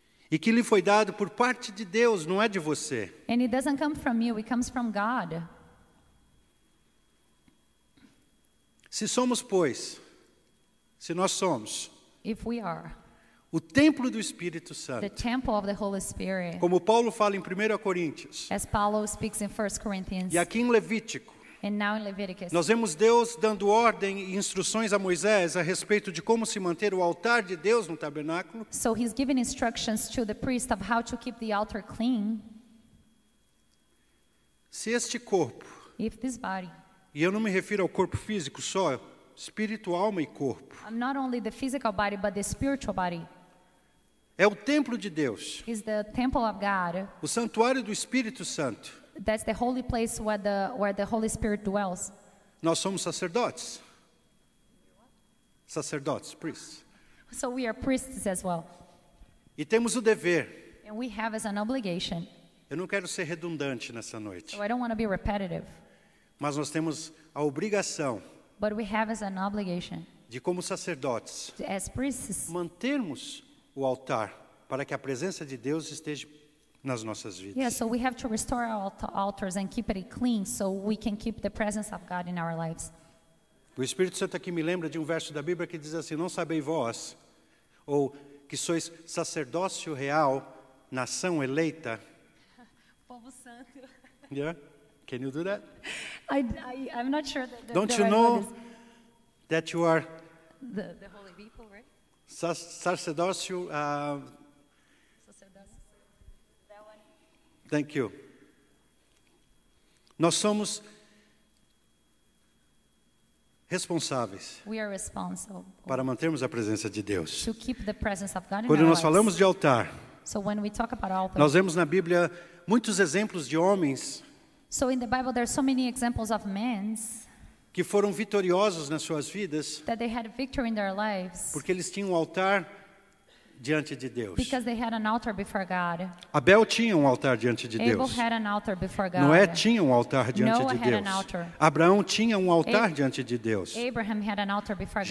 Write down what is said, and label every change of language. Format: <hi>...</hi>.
<pt>E que lhe foi dado por parte de Deus, não é de você.</pt> <en>And it doesn't come from you, it comes from God.</en> <pt>Se somos, pois, se nós somos.</pt> <en>If we are</en> <pt>O templo do Espírito Santo.</pt> <en>The temple of the Holy Spirit.</en> <pt>Como Paulo fala em 1 Coríntios.</pt> <en>As Paulo speaks in 1 Corinthians.</en> <pt>E aqui em Levítico.</pt> <en>And now in Leviticus.</en> <pt>Nós vemos Deus dando ordem e instruções a Moisés a respeito de como se manter o altar de Deus no tabernáculo.</pt> <en>So he's giving instructions to the priest of how to keep the altar clean.</en> <pt>Se este corpo.</pt> <en>If this body.</en> <pt>E eu não me refiro ao corpo físico só, espírito, alma e corpo.</pt> <en>I'm not only the physical body, but the spiritual body.</en> <pt>É o templo de Deus.</pt> <en>Is the temple of God.</en> <pt>O santuário do Espírito Santo.</pt> <en>That's the holy place where the Holy Spirit dwells.</en> <pt>Nós somos sacerdotes. Sacerdotes, priests.</pt> <en>So we are priests as well.</en> <pt>E temos o dever.</pt> <en>And we have as an obligation.</en> <pt>Eu não quero ser redundante nessa noite.</pt> <en>So I don't want to be repetitive.</en> <pt>Mas nós temos a obrigação.</pt> <en>But we have as an obligation.</en> <pt>De como sacerdotes.</pt> <en>As priests.</en> <pt>Mantermos o altar para que a presença de Deus esteja nas nossas vidas.</pt> <en>Yeah, so we have to restore our altars and keep it clean so we can keep the presence of God in our lives.</en> <pt>O Espírito Santo aqui me lembra de um verso da Bíblia que diz assim: não sabeis vós, ou que sois sacerdócio real, nação eleita. Povo santo.</pt> <en>Yeah? Can you do that? I'm not sure that. Don't you right know that you are the holy people, right?</en> <pt>Sacerdócio.</pt> <en>Thank you.</en> <pt>Nós somos responsáveis.</pt> <en>We are responsible.</en> <pt>Para mantermos a presença de Deus.</pt> <en>To keep the presence of God in</en> <pt>Quando</pt> <en>our</en> <pt>nós</pt> <en>lives.</en> <pt>Falamos de altar.</pt> <en>So when we talk about altar.</en> <pt>Nós vemos na Bíblia muitos exemplos de homens.</pt> <en>So in the Bible there are so many examples of men.</en> <pt>Que foram vitoriosos nas suas vidas.</pt> <en>That they had victory in their lives.</en> <pt>Porque eles tinham um altar diante de Deus.</pt> <en>Because they had an altar before God.</en> <pt>Abel tinha um altar diante de Deus.</pt> <en>Abel had an altar before God.</en> <pt>Noé tinha um altar diante de Deus.</pt> <en>Noah had an altar.</en> <pt>Abraão tinha um altar diante de Deus.</pt> <en>Abraham had an altar before God.</en>